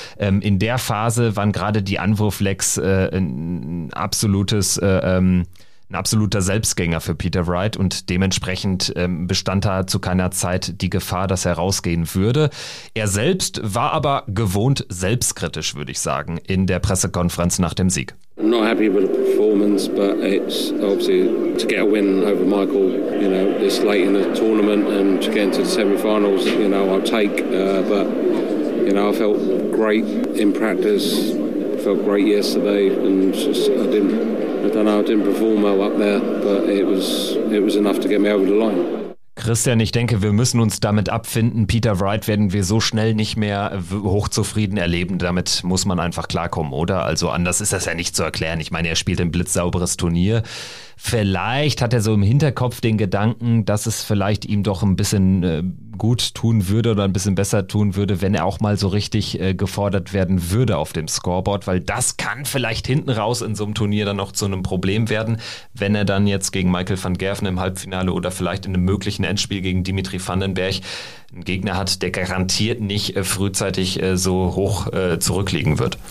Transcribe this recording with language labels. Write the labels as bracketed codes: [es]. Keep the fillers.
[de] Ähm, in der Phase waren gerade die Anwurflex äh, ein absolutes äh, ähm, ein absoluter Selbstgänger für Peter Wright und dementsprechend äh, bestand da zu keiner Zeit die Gefahr, dass er rausgehen würde. Er selbst war aber gewohnt selbstkritisch, würde ich sagen, in der Pressekonferenz nach dem Sieg. [en] I'm not happy with the performance, but it's obviously to get a win over Michael, you know, this late in the tournament and to get into the semi-finals, you know, I'll take. Uh, but, you know, I felt great in practice, I felt great yesterday and just, The line. [de] Christian, ich denke, wir müssen uns damit abfinden. Peter Wright werden wir so schnell nicht mehr hochzufrieden erleben. Damit muss man einfach klarkommen, oder? Also anders ist das ja nicht zu erklären. Ich meine, er spielt ein blitzsauberes Turnier vielleicht hat er so im Hinterkopf den Gedanken, dass es vielleicht ihm doch ein bisschen gut tun würde oder ein bisschen besser tun würde, wenn er auch mal so richtig gefordert werden würde auf dem Scoreboard, weil das kann vielleicht hinten raus in so einem Turnier dann noch zu einem Problem werden, wenn er dann jetzt gegen Michael van Gerven im Halbfinale oder vielleicht in einem möglichen Endspiel gegen Dimitri Vandenberg einen Gegner hat, der garantiert nicht frühzeitig so hoch äh, zurückliegen wird.